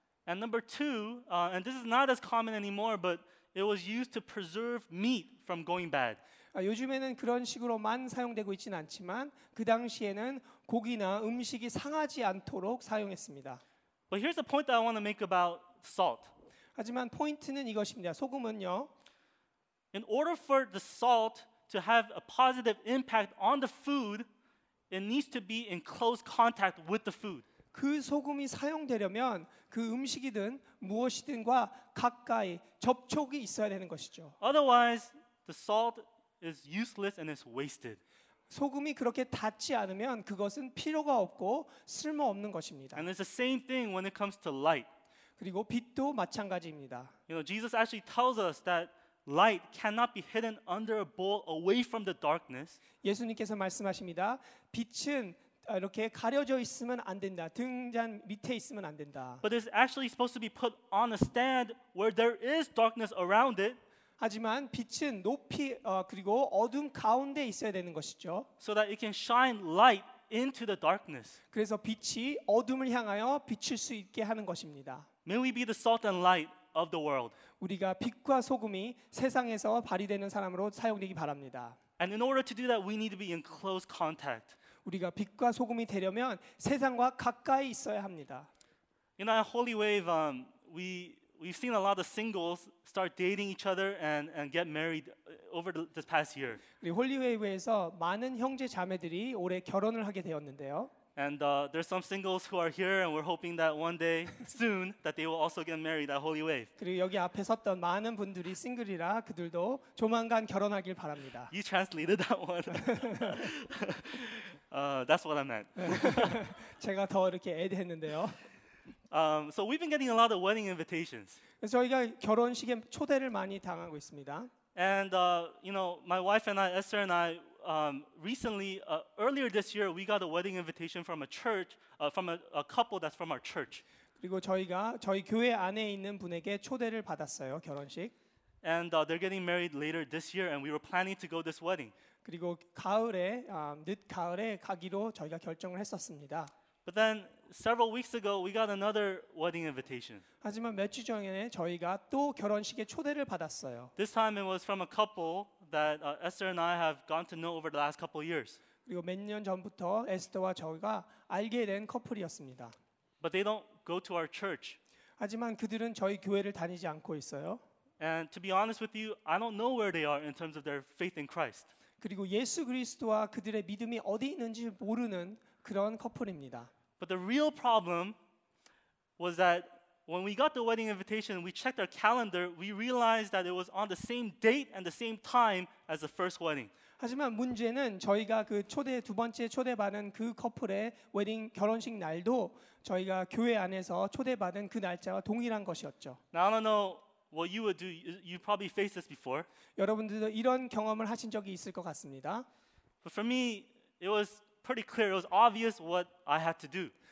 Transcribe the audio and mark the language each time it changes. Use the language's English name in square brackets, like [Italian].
[English] And number two, and this is not as common anymore, but it was used to preserve meat from going bad. [Korean] 요즘에는 그런 식으로만 사용되고 있지는 않지만 그 당시에는 고기나 음식이 상하지 않도록 사용했습니다. [English] But here's the point that I want to make about salt. [Korean] 하지만 포인트는 이것입니다. 소금은요. [English] In order for the salt to have a positive impact on the food, it needs to be in close contact with the food. [Korean] 그 소금이 사용되려면 그 음식이든 무엇이든과 가까이 접촉이 있어야 되는 것이죠. [English] Otherwise, the salt is useless and it's wasted. [Korean] 소금이 그렇게 닿지 않으면 그것은 필요가 없고 쓸모 없는 것입니다. [English] And it's the same thing when it comes to light. [Korean] 그리고 빛도 마찬가지입니다. [English] You know, Jesus actually tells us that light cannot be hidden under a bowl away from the darkness. [Korean] 예수님께서 말씀하십니다. 빛은 이렇게 가려져 있으면 안 된다. 등잔 밑에 있으면 안 된다. [English] But it's actually supposed to be put on a stand where there is darkness around it. [Korean] 하지만 빛은 높이 그리고 어둠 가운데 있어야 되는 것이죠. [English] So that it can shine light into the darkness. [Korean] 그래서 빛이 어둠을 향하여 비칠 수 있게 하는 것입니다. [English] May we be the salt and light of the world. [Korean] 우리가 빛과 소금이 세상에서 발휘되는 사람으로 사용되기 바랍니다. [English] And in order to do that, we need to be in close contact. [Korean] 우리가 빛과 소금이 되려면 세상과 가까이 있어야 합니다. [English] In our Holy Wave, we've seen a lot of singles start dating each other and get married over this past year. [Korean] 우리 Holy Wave에서 많은 형제 자매들이 올해 결혼을 하게 되었는데요. [English] And there's some singles who are here, and we're hoping that one day, soon, that they will also get married at Holy Wave. [Korean] 그리고 여기 앞에 섰던 많은 분들이 싱글이라 그들도 조만간 결혼하길 바랍니다. [English] You translated that one. That's what I meant. [Korean] 제가 더 이렇게 애드했는데요. [English] So we've been getting a lot of wedding invitations. [Korean] 저희가 결혼식에 초대를 많이 당하고 있습니다. [English] And you know, my wife and I, Esther and I. Recently, earlier this year, we got a wedding invitation from a church, from a couple that's from our church. [Korean] 그리고 저희가 저희 교회 안에 있는 분에게 초대를 받았어요 결혼식. [English] And they're getting married later this year, and we were planning to go this wedding. [Korean] 그리고 가을에 늦 가을에 가기로 저희가 결정을 했었습니다. [English] But then several weeks ago, we got another wedding invitation. [Korean] 하지만 며칠 전에 저희가 또 결혼식에 초대를 받았어요. [English] This time it was from a couple. That Esther and I have gotten to know over the last couple of years. [Korean] 그리고 몇 년 전부터 에스더와 저희가 알게 된 커플이었습니다. [English] But they don't go to our church. [Korean] 하지만 그들은 저희 교회를 다니지 않고 있어요. [English] And to be honest with you, I don't know where they are in terms of their faith in Christ. [Korean] 그리고 예수 그리스도와 그들의 믿음이 어디 있는지 모르는 그런 커플입니다. [English] But the real problem was that when we got the wedding invitation, we checked our calendar. We realized that it was on the same date and the same time as the first wedding. [Korean] 하지만 문제는 저희가 그 초대 두 번째 초대받은 그 커플의 웨딩 결혼식 날도 저희가 교회 안에서 초대받은 그 날짜와 동일한 것이었죠. [English] Now, I don't know what you would do. You probably faced this before. [Korean] 여러분들도 이런 경험을 하신 적이 있을 것 같습니다. [English] But for me, it was pretty clear. It was obvious what I had to do.